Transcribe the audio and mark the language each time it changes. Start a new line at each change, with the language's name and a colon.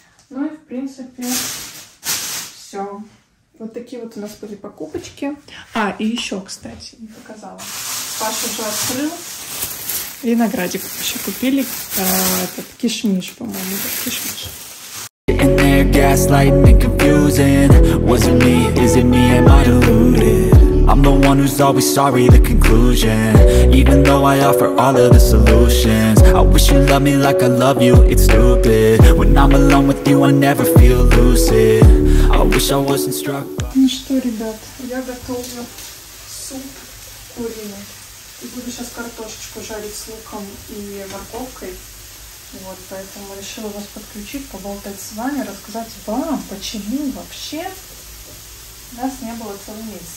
Russian: Ну и в принципе все. Вот такие вот у нас были покупочки. А, и еще, кстати, не показала. Паша уже открыл. Виноградик еще купили. Этот кишмиш, по-моему, да, кишмиш.
English: Gaslighting and confusing. Was it me? Is it me? Am I deluded? I'm the one who's always sorry, the conclusion. Even though I offer all of the solutions. I wish you loved me like I love you, it's stupid. When I'm alone with you, I never feel lucid. I wish I wasn't struck by...
Russian: Ну что, ребят, я готовлю суп куриный. И буду сейчас картошечку жарить с луком и морковкой. Вот, поэтому решила вас подключить, поболтать с вами, рассказать вам, почему вообще нас не было целый месяц.